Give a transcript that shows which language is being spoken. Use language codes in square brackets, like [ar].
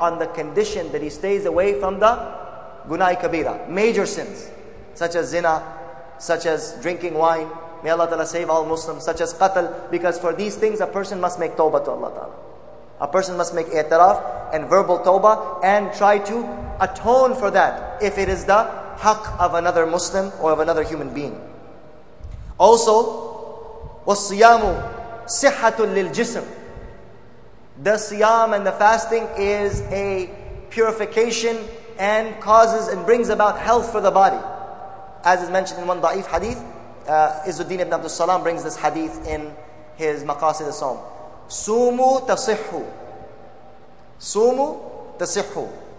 [en] On the condition that he stays away from the gunai kabira, major sins, such as zina, such as drinking wine. May Allah Ta'ala save all Muslims. Such as qatl. Because for these things, a person must make tawbah to Allah Ta'ala. A person must make i'tiraf and verbal tawbah and try to atone for that if it is the haq of another Muslim or of another human being. Also, [ar] وَالصِّيَامُ صِحَّةٌ لِلْجِسْمِ. [en] The siyam and the fasting is a purification and causes and brings about health for the body. As is mentioned in one da'if hadith, Izzuddin ibn Abdul Salam brings this hadith in his Maqasid al-Sawm. [ar] سُومُ تَصِحُّ. سُومُ تَصِحُّ.